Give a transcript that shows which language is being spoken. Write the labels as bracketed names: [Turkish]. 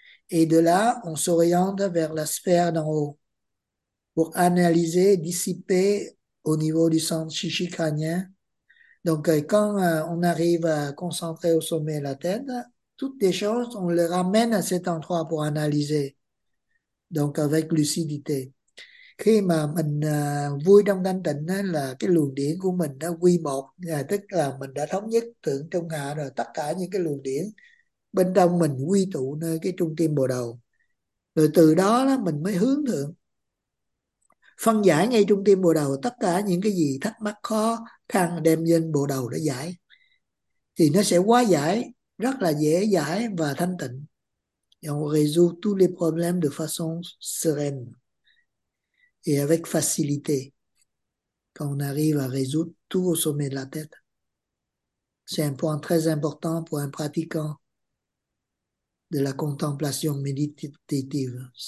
[French] Et de là, on s'oriente vers la sphère d'en haut pour analyser, dissiper au niveau du centre chichi crânien. Donc, quand on arrive à concentrer au sommet de la tête, toutes les choses, on les ramène à cet endroit pour analyser. Donc, avec lucidité. [Vietnamese] Khi mà mình vui trong thanh tịnh là cái luồng điển của mình đã quy một, tức là mình đã thống nhất thượng trung hạ rồi, tất cả những cái luồng điển bên trong mình quy tụ nơi cái trung tim bồ đầu. Rồi từ đó, mình mới hướng thượng. Phân giải ngay trung tim bồ đầu, tất cả những cái gì thắc mắc khó khăn đem lên bồ đầu để giải. Thì nó sẽ quá giải, rất là dễ giải và thanh tịnh. [French] Et on résout tous les problèmes de façon sereine et avec facilité quand on arrive à résoudre tout au sommet de la tête. C'est un point très important pour un pratiquant de la contemplation méditative.